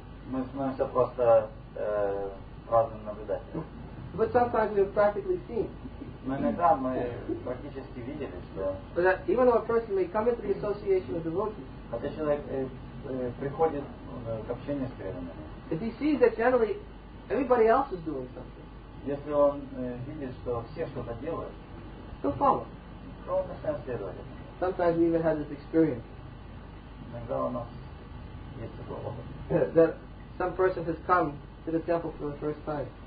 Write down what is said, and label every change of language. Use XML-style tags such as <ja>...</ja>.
<ru>Мы становимся просто праздным наблюдателем.</ru> <en>But sometimes we have practically seen.</en> <ru>Но иногда мы практически видели, что.</ru> <en>But even though a person may come into the association of devotees,</en> <ru>хотя человек приходит к общению с преданными,</ru> <en>if he sees that generally everybody else is doing something,</en> <ru>если он видит, что все что-то делают,</ru> <en>he'll follow.</en> <ru>То он начинает следовать.</ru> <en>Sometimes we even have this experience. That some person has come to the temple for the first time.</en>